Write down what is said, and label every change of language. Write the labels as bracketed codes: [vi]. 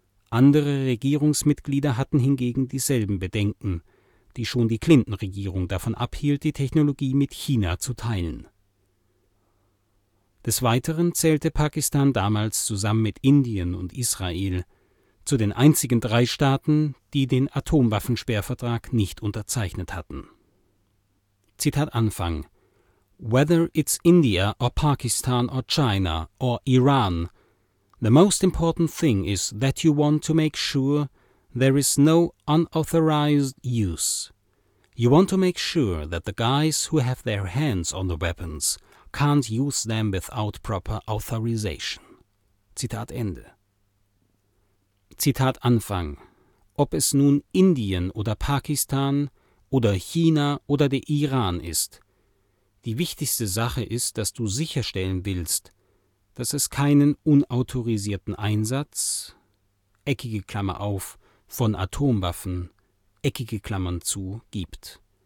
[de] Andere Regierungsmitglieder hatten hingegen dieselben Bedenken, die schon die Clinton-Regierung davon abhielt, die Technologie mit China zu teilen. Des Weiteren zählte Pakistan damals zusammen mit Indien und Israel zu den einzigen drei Staaten, die den Atomwaffensperrvertrag nicht unterzeichnet hatten. Zitat Anfang: [en] Whether it's India or Pakistan or China or Iran, the most important thing is that you want to make sure there is no unauthorized use. You want to make sure that the guys who have their hands on the weapons can't use them without proper authorization. [de] Zitat Ende. Zitat Anfang: Ob es nun Indien oder Pakistan oder China oder der Iran ist, die wichtigste Sache ist, dass du sicherstellen willst, dass es keinen unautorisierten Einsatz, eckige Klammer auf, von Atomwaffen, eckige Klammern zu, gibt.